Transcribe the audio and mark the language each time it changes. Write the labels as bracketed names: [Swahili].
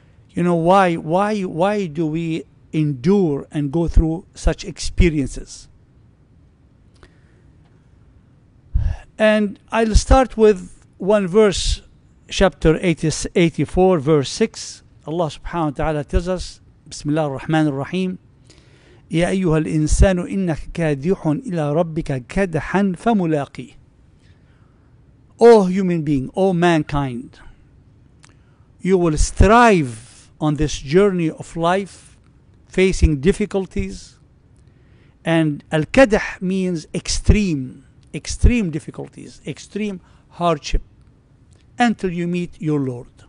[English] You know, why do we endure and go through such experiences? And I'll start with one verse, chapter 84, verse 6. Allah subhanahu wa ta'ala tells us, [Arabic] Bismillah ar-Rahman ar-Rahim, يا أيها الإنسان إنك كادح إلى ربك كدحا فملاقي. [English] Oh human being, oh mankind, you will strive on this journey of life, facing difficulties. And al-kadh means extreme difficulties, extreme hardship, until you meet your Lord.